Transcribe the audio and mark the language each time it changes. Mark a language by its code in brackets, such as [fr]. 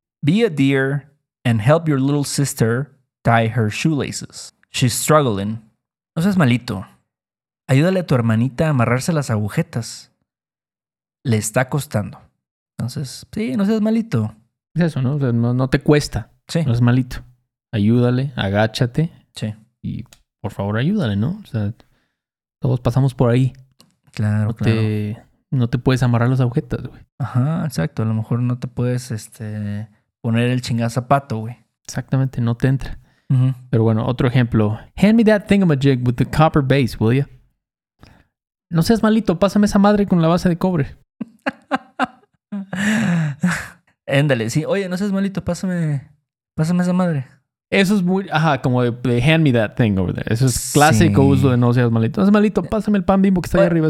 [en] Be a dear and help your little sister tie her shoelaces. She's struggling. [es] No seas malito. Ayúdale a tu hermanita a amarrarse las agujetas. Le está costando. Entonces, sí, no seas malito. Es eso, ¿no? O sea, no te cuesta. Sí. No es malito. Ayúdale, agáchate. Sí. Y por favor, ayúdale, ¿no? O sea, todos pasamos por ahí. Claro, no te, claro. No te puedes amarrar las agujetas, güey. Ajá, exacto. A lo mejor no te puedes poner el chingazapato, güey. Exactamente, no te entra. Uh-huh. Pero bueno, otro ejemplo. [en] Hand me that thingamajig with the copper base, will ya? [es] No seas malito, pásame esa madre con la base de cobre. Éndale, sí. Oye, no seas malito, pásame esa madre. Eso es muy... Ajá, como de [en] hand me that thing over there. [es] Eso es clásico sí. Uso de no seas malito. No seas malito, pásame el pan bimbo que está ahí arriba.